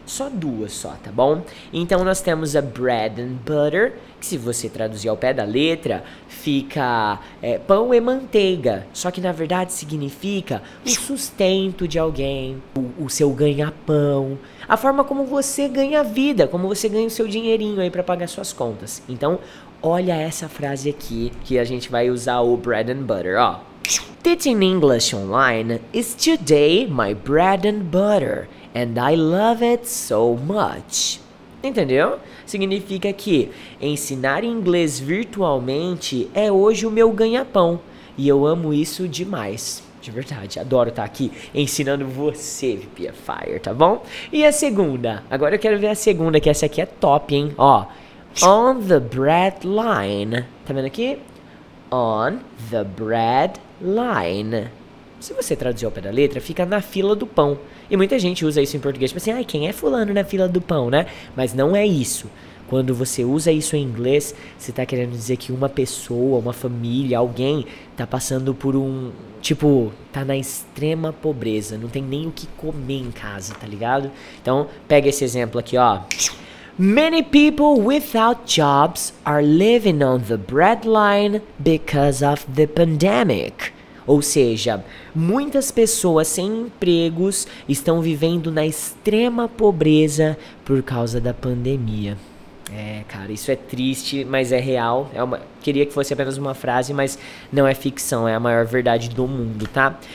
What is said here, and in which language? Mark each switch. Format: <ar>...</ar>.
<pt>Só duas só, tá bom? Então nós temos a bread and butter, que se você traduzir ao pé da letra, fica pão e manteiga. Só que na verdade significa o sustento de alguém, o seu ganha-pão, a forma como você ganha a vida, como você ganha o seu dinheirinho aí pra pagar suas contas. Então, olha essa frase aqui que a gente vai usar o bread and butter, ó.</pt> <en>Teaching English online is today my bread and butter and I love it so much.</en> <pt>Entendeu? Significa que ensinar inglês virtualmente é hoje o meu ganha-pão e eu amo isso demais. verdade, verdade. Adoro estar aqui ensinando você, Via Fire, tá bom? E a segunda? Agora eu quero ver a segunda, que essa aqui é top, hein? Ó, on the bread line. Tá vendo aqui? On the bread line. Se você traduzir ao pé da letra, fica na fila do pão. E muita gente usa isso em português, tipo assim, ai, quem é fulano na fila do pão, né? Mas não é isso. Quando você usa isso em inglês, você tá querendo dizer que uma pessoa, uma família, alguém tá passando por um... Tipo, tá na extrema pobreza, não tem nem o que comer em casa, tá ligado? Então, pega esse exemplo aqui, ó.</pt> <en>Many people without jobs are living on the breadline because of the pandemic.</en> <pt>Ou seja, muitas pessoas sem empregos estão vivendo na extrema pobreza por causa da pandemia. É, cara, isso é triste, mas é real. É uma... Queria que fosse apenas uma frase, mas não é ficção, é a maior verdade do mundo, tá?</pt>